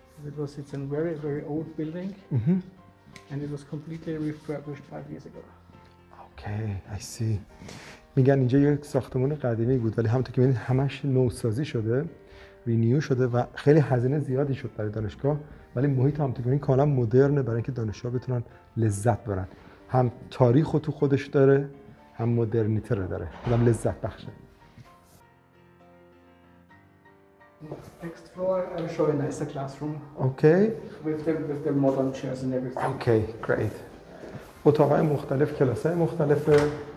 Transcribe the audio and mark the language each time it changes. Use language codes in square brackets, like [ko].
[en] It's a very, very old building, mm-hmm. and it was completely refurbished 5 years ago. Okay, I see. [fa] میگن اینجا یک ساختمان قدیمی بود، ولی همونطور که می‌بینید همش نوسازی شده، رینیو شده و خیلی هزینه زیادی شد برای دانشگاه، ولی محیط همونطور که می‌بینید کاملا مدرنه برای اینکه دانشجوها بتونن لذت ببرن. هم تاریخ تو خودش داره، هم مدرنیته رو داره، هم لذت بخشه. [en] Next floor, I'll show you a nicer classroom. Okay. With the modern chairs and everything. Okay, great. [fa] اتاقای مختلف، کلاسای مختلف.